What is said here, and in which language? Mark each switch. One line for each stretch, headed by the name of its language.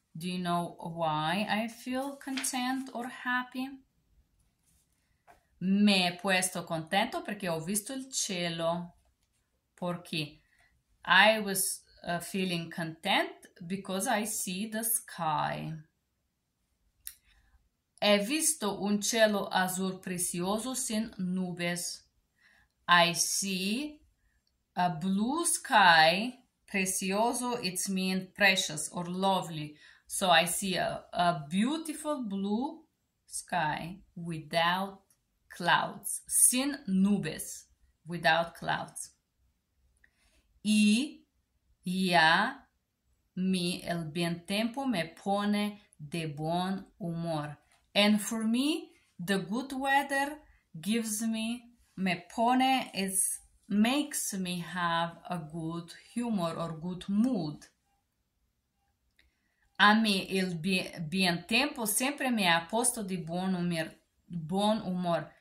English: Do you know why I feel content or happy?
Spanish: Me he puesto contento porque he visto el cielo.
English: Porque I was feeling content because I see the sky.
Spanish: He visto un cielo azul precioso sin nubes.
English: I see a blue sky precioso. It means precious or lovely. So I see a beautiful blue sky without clouds,
Spanish: sin nubes,
English: without clouds.
Spanish: Y ya mi el bien tiempo me pone de buen humor.
English: And for me, the good weather gives me,
Spanish: me pone,
English: it makes me have a good humor or good mood.
Spanish: A mí el bien tiempo siempre me ha puesto de buen humor.